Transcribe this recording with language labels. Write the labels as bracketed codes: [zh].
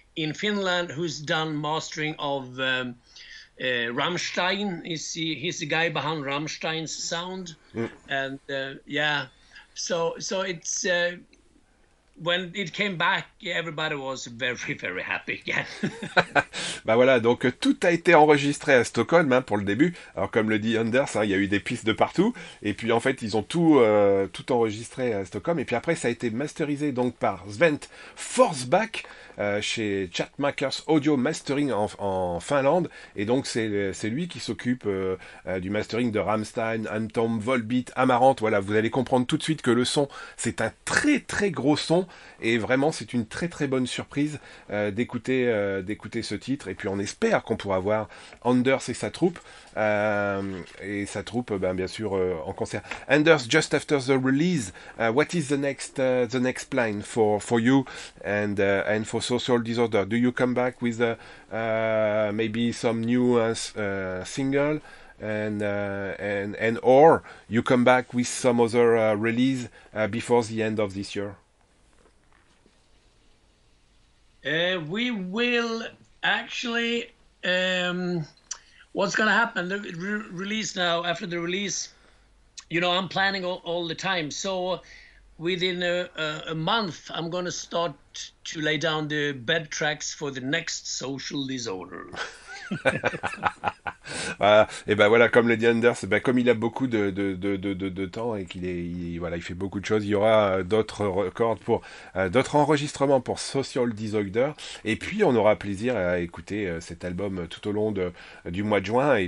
[en] in Finland who's done mastering of Rammstein. He's the guy behind Rammstein's sound. Mm. And yeah, so it's when it came back, everybody was very, very happy again. [fr] Bah voilà, donc tout a été enregistré à Stockholm hein, pour le début. Alors comme le dit Anders, hein, il y a eu des pistes de partout. Et puis en fait, ils ont tout enregistré à Stockholm. Et puis après, ça a été masterisé donc par Svent Forsback chez Chatmakers Audio Mastering en Finlande. Et donc c'est lui qui s'occupe du mastering de Rammstein, Anthem, Volbeat, Amaranth. Voilà, vous allez comprendre tout de suite que le son, c'est un très très gros son. Et vraiment, c'est une très très bonne surprise d'écouter ce titre. Et puis on espère qu'on pourra voir Anders et sa troupe bien sûr en concert. [en] Anders, just after the release, what is the next plan for you and for Social Disorder? Do you come back with maybe some new single and or you come back with some other release before the end of this year? We will. Actually, what's going to happen, the release now, after the release, you know, I'm planning all the time. So within a month, I'm going to start to lay down the bed tracks for the next Social Disorder. [fr] Voilà. Et ben voilà, comme le dit Anders, ben comme il a beaucoup de temps et qu'il est, il fait beaucoup de choses, il y aura d'autres records pour d'autres enregistrements pour Social Disorder. Et puis on aura plaisir à écouter cet album tout au long du mois de juin.